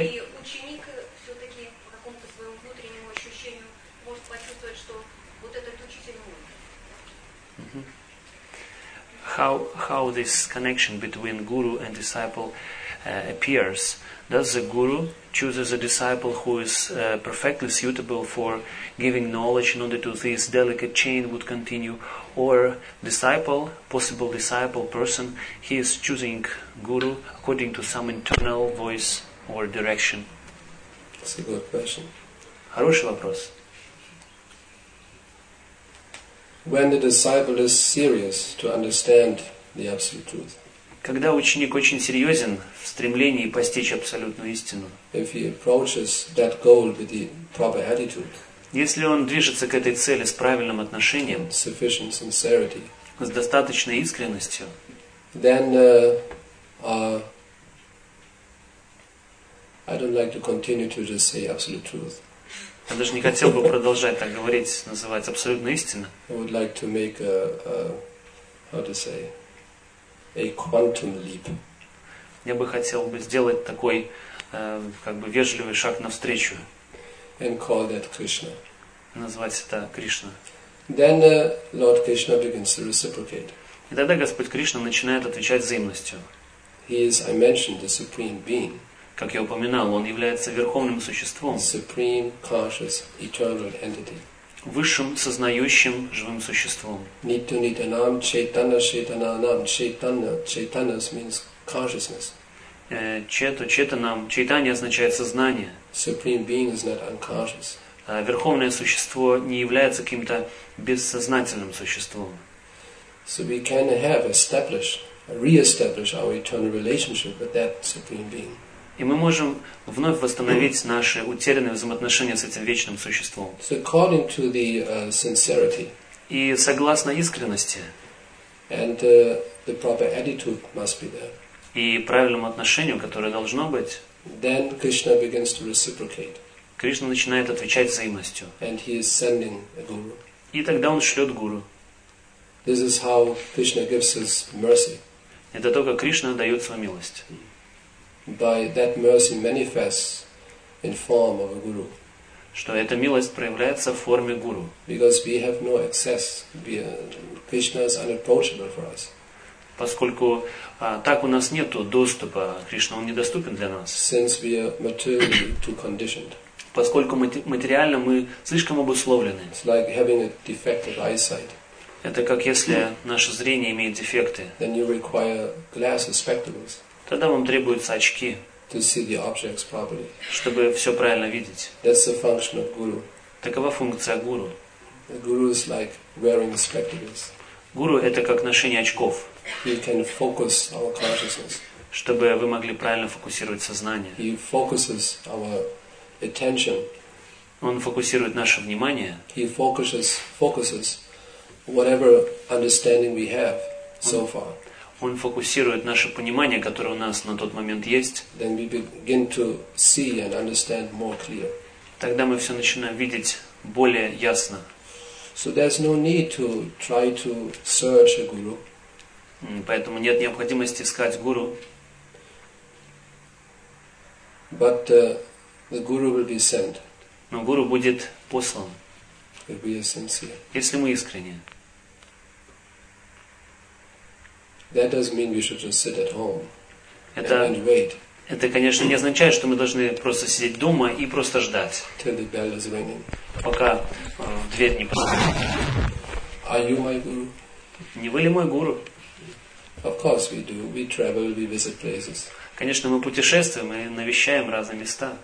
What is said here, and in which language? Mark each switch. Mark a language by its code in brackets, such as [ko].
[ru] И ученик все-таки по какому-то своему внутреннему ощущению может почувствовать, что вот этот учитель мой. [en] How this connection between guru and disciple appears? Does the guru chooses a disciple who is perfectly suitable for giving knowledge in order to this delicate chain would continue, or disciple, possible disciple person, he is choosing guru according to some internal voice or direction? That's a good question. [ru] Хороший вопрос. [en] When the disciple is serious to understand the absolute truth. [ru] Когда ученик очень серьезен в стремлении постичь абсолютную истину. [en] If he approaches that goal with the proper attitude. [ru] Если он движется к этой цели с правильным отношением. [en] With sufficient sincerity. [ru] С достаточной искренностью. [en] Then I don't like to continue to just say absolute truth. [ru] Я даже не хотел бы продолжать так говорить, называть абсолютно истина. [en] I would like to make a quantum leap. [ru] Я бы хотел бы сделать такой как бы вежливый шаг навстречу. [en] And call that Krishna. [ru] Назвать это Кришна. [en] Then Lord Krishna begins to reciprocate. [ru] И тогда Господь Кришна начинает отвечать взаимностью. [en] He is, I mentioned, the supreme being. [ru] Как я упоминал, он является верховным существом, [en] supreme, conscious, eternal entity. [ru] Высшим сознающим живым существом. [sa] Nityanam Chaitanya Chaitananam Chaitanya [en] Chaitanya means consciousness. [ru] Чето Чаитанам Чаитанья означает сознание. [en] Supreme being is not unconscious. [ru] Верховное существо не является каким-то бессознательным существом. [en] So we can have established, re-establish our eternal relationship with that supreme being. [ru] И мы можем вновь восстановить наши утерянные взаимоотношения с этим вечным существом. [en] So according to the sincerity. [ru] И согласно искренности. [en] And the proper attitude must be there. [ru] И правильному отношению, которое должно быть. [en] Then Krishna begins to reciprocate. [ru] Кришна начинает отвечать взаимностью. [en] And he is sending a guru. [ru] И тогда он шлет гуру. [en] This is how Krishna gives his mercy. [ru] Это то, как Кришна дает свою милость. [en] By that mercy manifests in form of a guru. [ru] Что эта милость проявляется в форме гуру. [en] Because we have no access. Krishna is unapproachable for us. [ru] Поскольку так у нас нету доступа, Кришна, он недоступен для нас. [en] Since we are materially too conditioned. [ru] Поскольку материально мы слишком обусловлены. [en] It's like having a defective eyesight. [ru] Это как если наше зрение имеет дефекты. [en] Then you require glasses, spectacles. [ru] Тогда вам требуются очки, [en] to see the objects properly. [ru] Чтобы все правильно видеть. [en] That's the function of guru. [ru] Такова функция гуру. [en] The guru is like wearing spectacles. [ru] Гуру – это как ношение очков. [en] He can focus our consciousness. [ru] Чтобы вы могли правильно фокусировать сознание. [en] He focuses our attention. [ru] Он фокусирует наше внимание. [en] He focuses whatever understanding we have so far. [ru] Он фокусирует наше понимание, которое у нас на тот момент есть. [en] Then we begin to see and understand more clear. [ru] Тогда мы все начинаем видеть более ясно. [en] So there's no need to try to search a guru. [ru] Поэтому нет необходимости искать гуру. [en] But the guru will be sent. [ru] Но гуру будет послан. [en] If we are sincere. [ru] Если мы искренние. [en] That doesn't mean we should just sit at home and wait. [ru] Это, конечно, не означает, что мы должны просто сидеть дома и просто ждать. [en] Till the bell is ringing. [ru] Пока в дверь не позвонит. [en] Are you my guru? [ru] Не вы ли мой гуру? [en] Of course we do. We travel, we visit places. [ru] Конечно, мы путешествуем и навещаем разные места.